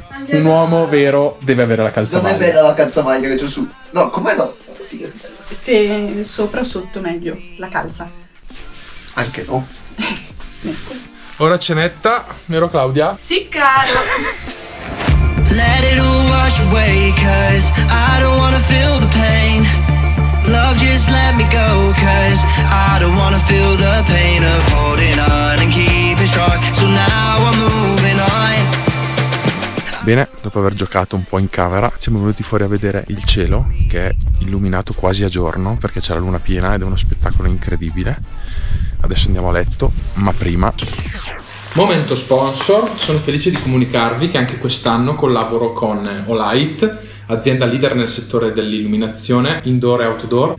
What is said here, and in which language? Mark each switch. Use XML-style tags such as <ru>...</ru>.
<it>Un uomo vero deve avere la calzamaglia. Non è bella la calzamaglia che c'è su. No, com'è? No, se sopra sotto meglio la calza anche. No. Ora cenetta, vero Claudia? Sì, caro.</it> <en>Let it all wash away, cause I don't wanna feel the pain. Love, just let me go, cause I don't wanna feel the pain of holding on and keeping strong. So now I'm moving on.</en> <it>Bene, dopo aver giocato un po' in camera, siamo venuti fuori a vedere il cielo, che è illuminato quasi a giorno perché c'è la luna piena ed è uno spettacolo incredibile. Adesso andiamo a letto, ma prima. Momento sponsor, sono felice di comunicarvi che anche quest'anno collaboro con Olight, azienda leader nel settore dell'illuminazione indoor e outdoor.</it>